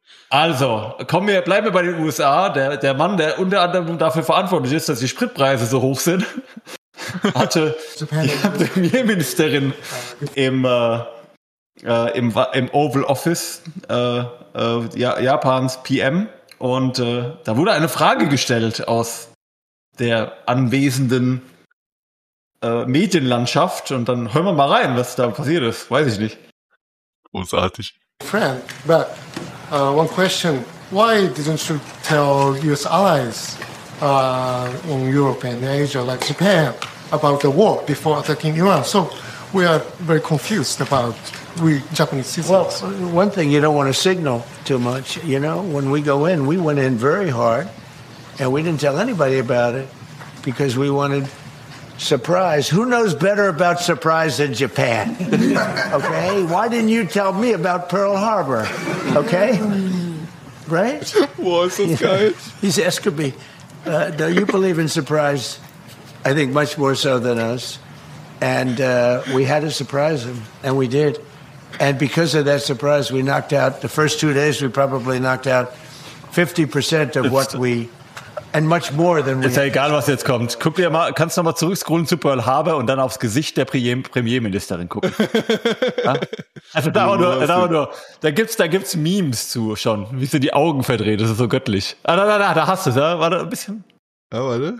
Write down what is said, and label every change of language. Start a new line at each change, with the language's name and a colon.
German: Also, bleiben wir bei den USA. Der Mann, der unter anderem dafür verantwortlich ist, dass die Spritpreise so hoch sind, hatte die Premierministerin im Oval Office Japans PM und da wurde eine Frage gestellt aus der anwesenden Medienlandschaft und dann hören wir mal rein, was da passiert ist. Weiß ich nicht. Großartig.
English: Friend, but one question. Why didn't you tell US allies in Europe and Asia like Japan about the war before attacking Iran? So we are very confused about we Japanese citizens. Well, one thing, you don't want to signal too much. You know, when we go in, we went in very hard and we didn't tell anybody about it because we wanted surprise. Who knows better about surprise than Japan? Okay? Why didn't you tell me about Pearl Harbor? Okay? Right? What's this guy? He's asking me, do you believe in surprise? I think much more so than us. And we had to surprise him, and we did. And because of that surprise, we knocked out, the first 2 days, we probably knocked out 50% of what we... And much more than
German: ist ja egal, was jetzt kommt. Guck dir mal, kannst du noch mal zurückscrollen zu Pearl Harbor und dann aufs Gesicht der Premierministerin gucken. Also da gibt's Memes zu schon, wie sie die Augen verdreht. Das ist so göttlich. Ah, da hast du es. Ja? Warte ein bisschen. Ja, warte.